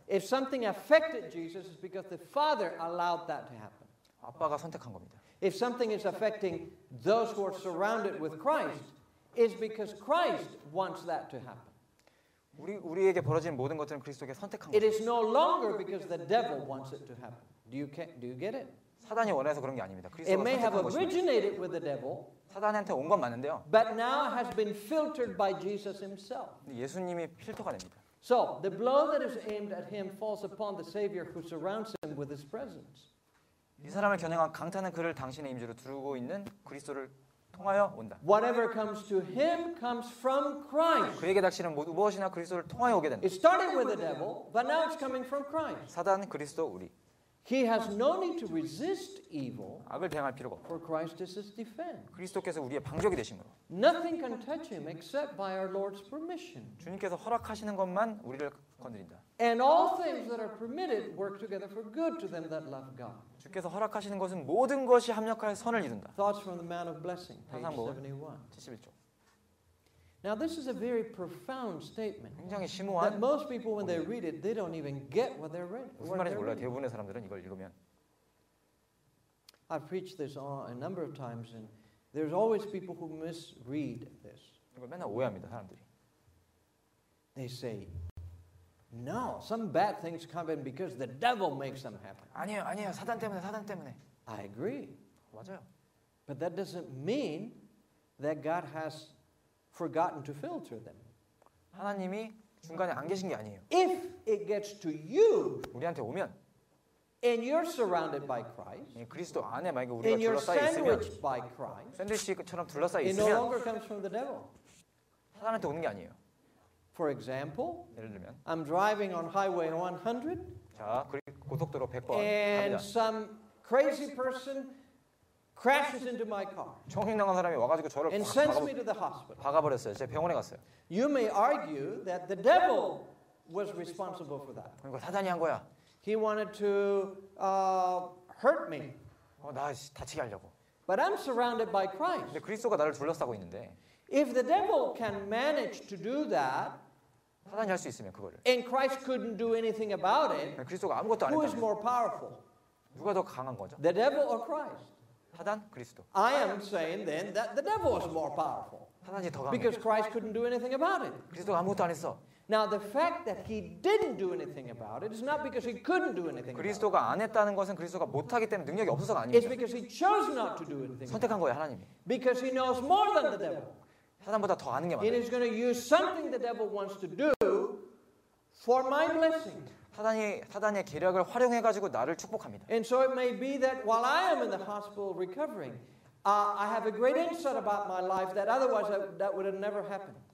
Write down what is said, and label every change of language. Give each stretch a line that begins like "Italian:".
English: If something affected Jesus, it's because the Father allowed that to happen.
Korean: 아빠가 선택한 겁니다.
English: If something is affecting those who are surrounded with Christ, it's because Christ wants that to happen.
Korean: 우리에게 벌어지는 모든 것들은 그리스도에게 선택한 겁니다.
English: It is no longer because the devil wants it to happen. Do you get it?
Korean: 사단이 원해서 그런 게 아닙니다. 그리스도가
English: It may have originated with the devil.
Korean: 사단한테 온 건 맞는데요.
English: But now has been filtered by Jesus himself.
Korean: 예수님이 필터가 됩니다.
English: So, the blow that is aimed at him falls upon the Savior who surrounds him with his presence.
Korean: 이 사람을 겨냥한 강탄은 그를 당신의 임재로 두르고 있는 그리스도를 통하여 온다.
English: Whatever comes to him comes from Christ.
Korean: 그에게 닥치는 무엇이나 그리스도를 통하여 오게 된다.
English: It started with the devil, but now it's coming from Christ.
Korean: 사단, 그리스도, 우리.
English: He has no need to resist evil.
Korean: 악을 대항할 필요가 없고.
English: For Christ is his defense.
Korean: 그리스도께서 우리의 방적이 되심으로.
English: Nothing can touch him except by our Lord's permission.
Korean: 주님께서 허락하시는 것만 우리를 건드린다.
English: And all things that are permitted work together for good to them that love God.
Korean: 주께서 허락하시는 것은 모든 것이 합력하여 선을 이룬다.
English: Thoughts from the Man of Blessing, page 71. Now this is a very profound statement.
Korean: 굉장히 심오한.
English: That most people when they read it, they don't even get what they're reading.
Korean: 무슨 말인지 몰라. 대부분의 사람들은 이걸 읽으면.
English: I've preached this a number of times, and there's always people who misread this.
Korean: 이걸 맨날 오해합니다 사람들이.
English: They say, "No, some bad things happen because the devil makes them happen."
Korean: 아니에요, 사단 때문에.
English: I agree.
Korean: 맞아요.
English: But that doesn't mean that God has forgotten to filter them.
Korean: 하나님이 중간에 안 계신 게 아니에요.
English: If it gets to you,
Korean: 우리한테 오면,
English: and you're surrounded by Christ,
Korean: 그리스도 안에 만약 우리가 둘러싸여 있으면, 샌드위치처럼 둘러싸여 있으면,
English: it no longer comes from the devil.
Korean: 하나님한테 오는 게 아니에요.
English: For example,
Korean: 예를 들면,
English: I'm driving on Highway 100.
Korean: 자, 고속도로 100번 갑니다.
English: And some crazy person crashes into my car.
Korean: 총행당한 사람이 와가지고 저를
English: and sends me to the hospital.
Korean: 박아버렸어요. 제가 병원에 갔어요.
English: You may argue that the devil was responsible for that.
Korean: 그러니까 사단이 한 거야.
English: He wanted to hurt me.
Korean: 나 다치게 하려고.
English: But I'm surrounded by Christ.
Korean: 근데 그리스도가 나를 둘러싸고 있는데.
English: If the devil can manage to do that,
Korean: 사단이 할 수 있으면 그거를.
English: And Christ couldn't do anything about it.
Korean: 그리스도가 아무것도 안 했다면.
English: Who is more powerful?
Korean: 누가 더 강한 거죠?
English: The devil or Christ?
Korean: 사단 그리스도.
English: I am saying then that the devil is more powerful.
Korean: 사단이 더 강해.
English: Because Christ couldn't do anything about it.
Korean: 그리스도가 아무것도 안 했어.
English: Now the fact that he didn't do anything about it is not because he couldn't do anything.
Korean: 그리스도가 안 했다는 것은 그리스도가 못 하기 때문에 능력이 없어서가 아닙니다.
English: It's because he chose not to do anything.
Korean: 선택한 거예요, 하나님이.
English: Because he knows more than the devil.
Korean: 사단보다 더 아는 게 많아요.
English: He is going to use something the devil wants to do for my blessing.
Korean: 사단의 계략을 활용해 가지고 나를 축복합니다.
English: And so it may be that while I am in the hospital recovering, I have a great insight about my life that otherwise that would have never happened.